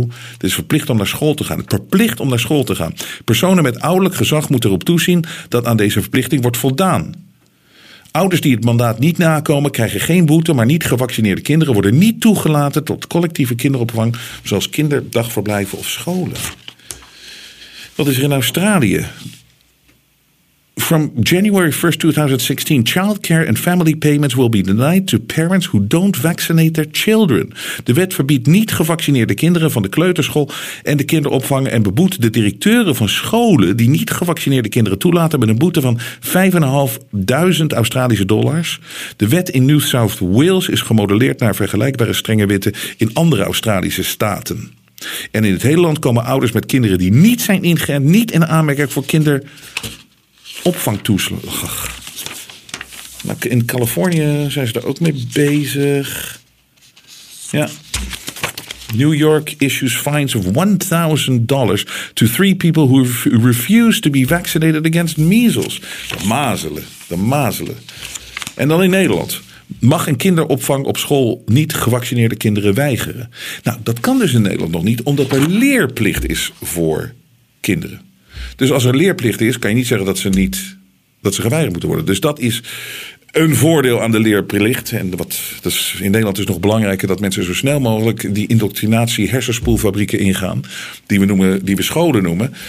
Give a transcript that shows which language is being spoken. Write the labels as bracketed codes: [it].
[nl] Het is verplicht om naar school te gaan. Personen met ouderlijk gezag moeten erop toezien dat aan deze verplichting wordt voldaan. Ouders die het mandaat niet nakomen krijgen geen boete, maar niet gevaccineerde kinderen worden niet toegelaten tot collectieve kinderopvang, zoals kinderdagverblijven of scholen. Wat is er in Australië? [en] From January 1, 2016, childcare and family payments will be denied to parents who don't vaccinate their children. [nl] De wet verbiedt niet gevaccineerde kinderen van de kleuterschool en de kinderopvang en beboet de directeuren van scholen die niet gevaccineerde kinderen toelaten met een boete van 5.500 Australische dollars. De wet in New South Wales is gemodelleerd naar vergelijkbare strenge wetten in andere Australische staten. En in het hele land komen ouders met kinderen die niet zijn ingeënt niet in aanmerking voor kinderopvangtoeslag. Maar in Californië zijn ze daar ook mee bezig. Ja. [en] New York issues fines of $1,000 to three people who refuse to be vaccinated against measles. [nl] De mazelen. En dan in Nederland. Mag een kinderopvang op school niet gevaccineerde kinderen weigeren? Nou, dat kan dus in Nederland nog niet, omdat er leerplicht is voor kinderen. Dus als er leerplicht is, kan je niet zeggen dat ze geweigerd moeten worden. Dus dat is een voordeel aan de leerplicht. En wat dus in Nederland is nog belangrijker, dat mensen zo snel mogelijk die indoctrinatie hersenspoelfabrieken ingaan, die we scholen noemen.